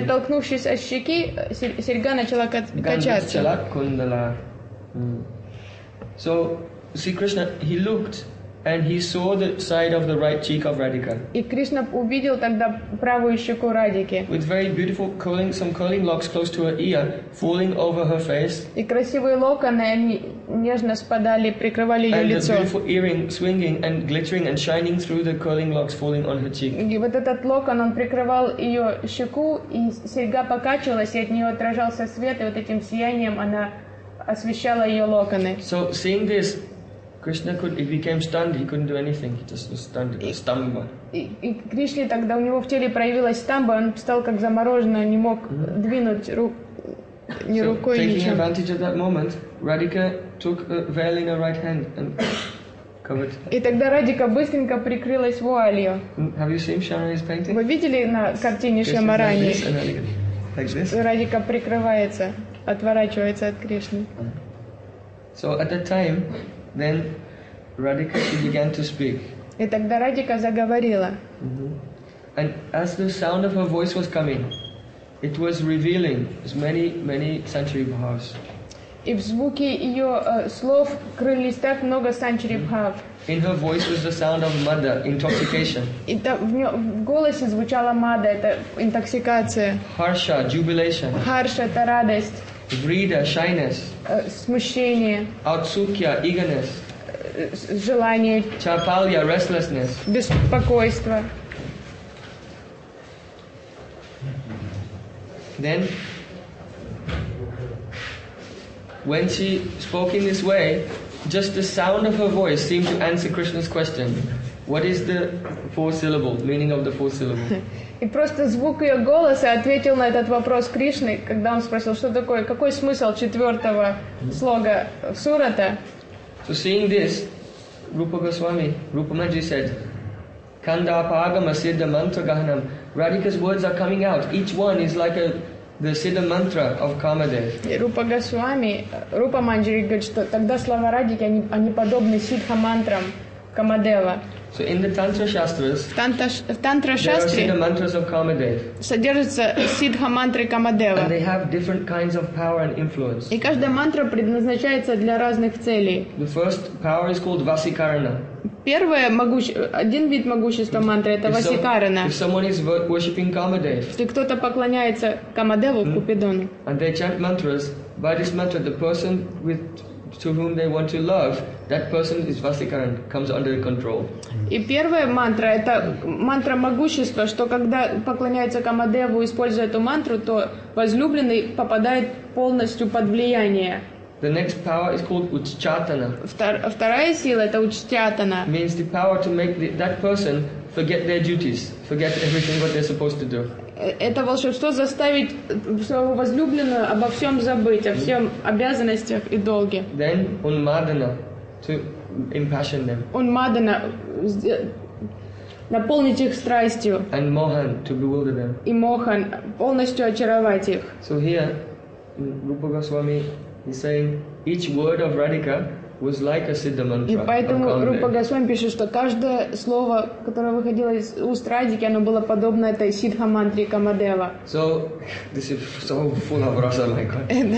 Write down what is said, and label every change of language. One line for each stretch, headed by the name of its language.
Russian: И оттолкнувшись от щеки, серьга начала качаться.
Sanskrit: Kundala.
English: So, see Krishna, he looked and he saw the side of the right cheek of Radhika.
Russian: И Кришна увидел тогда правую щеку Радики.
English: With very beautiful curling, some curling locks close to her ear, falling over her face.
Russian: И красивые локоны, они нежно спадали, прикрывали ее лицо.
English: And the beautiful earring swinging and glittering and shining through the curling locks falling on her cheek.
Russian: И вот этот локон, он прикрывал ее щеку, и серьга покачивалась, и от нее отражался свет, и вот этим сиянием она освещала ее локоны.
English: So, seeing this, Krishna could, he became stunned, he couldn't do anything, he just was stunned, it was stamba.
Russian: И Кришне тогда у него в теле проявилась стамба, он стал как замороженный, не мог двинуть ни рукой, ничем.
English: So, taking advantage of that moment, Radhika took a veil in her right hand and covered.
Russian: И тогда Радика быстренько прикрылась вуалью.
English: Have you seen Shyamarani's painting?
Russian: Вы видели на картине Шамарани?
English: Like this?
Russian: Радика прикрывается, отворачивается от Кришны.
English: So, at that time, then Radhika, she began to speak.
Russian: И тогда Радика заговорила.
English: And as the sound of her voice was coming, it was revealing many, many Sanchari Bhavas.
Russian: И в звуке ее слов крылись так много Sanchari Bhav.
English: In her voice was the sound of mada, intoxication.
Russian: И в голосе звучала мада, это интоксикация.
English: Harsha, jubilation.
Russian: Harsha, это радость.
English: Vrida, shyness.
Russian: Смущение.
English: Outsukya, eagerness.
Russian: Желание.
English: Chapalya, restlessness.
Russian: Беспокойство.
English: Then, when she spoke in this way, just the sound of her voice seemed to answer Krishna's question. What is the four syllable, meaning of the four syllable?
Russian: И просто звук ее голоса ответил на этот вопрос Кришны, когда он спросил, что такое, какой смысл четвертого слога сурата.
English: So seeing this, Rupa Goswami, Rupa Manji said,
Sanskrit: Kanda Pagama Siddha Mantra Gahanam.
English: Radhika's words are coming out. Each one is like the Siddha Mantra of Kamadev.
Russian: Rupa Goswami, Rupa Manji говорит, что тогда слова Радики, они подобны Сиддха Мантрам Камадева.
English: So in the Tantra Shastras, there are the mantras of Kamadev.
Russian: Содержится сиддха мантры Камадева.
English: And they have different kinds of power and influence.
Russian: И каждая мантра предназначается для разных целей.
English: The first power is called Vasikarana.
Russian: Первое один вид могущества мантры это Vasikarana.
English: If someone is worshipping Kamadev.
Russian: Если кто-то поклоняется Камадеву, Купидону.
English: And they chant mantras. By this mantra, the person with to whom they want to love, that person is Vasikaran, comes under control.
Russian: И первая мантра это мантра могущества, что когда поклоняется Камадеву, используя эту мантру, то возлюбленный попадает полностью под влияние.
English: The next power is called Uchchatana.
Russian: Вторая сила это Uchchatana.
English: Means the power to make that person forget their duties, forget everything what they're supposed to do.
Russian: Это волшебство заставить своего возлюбленного обо всем забыть, о всем обязанностях и долге.
English: Then Unmadana, to impassion them.
Russian: Unmadana, наполнить их страстью.
English: And Mohan, to bewilder them.
Russian: И Mohan, полностью очаровать их.
English: So here, Rupa Goswami is saying, each word of Radhika was like a siddha mantra.
Russian: И поэтому Рупа Госвами пишет, что каждое слово, которое выходило из уст Радики, оно было подобно этой сиддха мантре Камадева.
English: So this is so full of rasa, my God.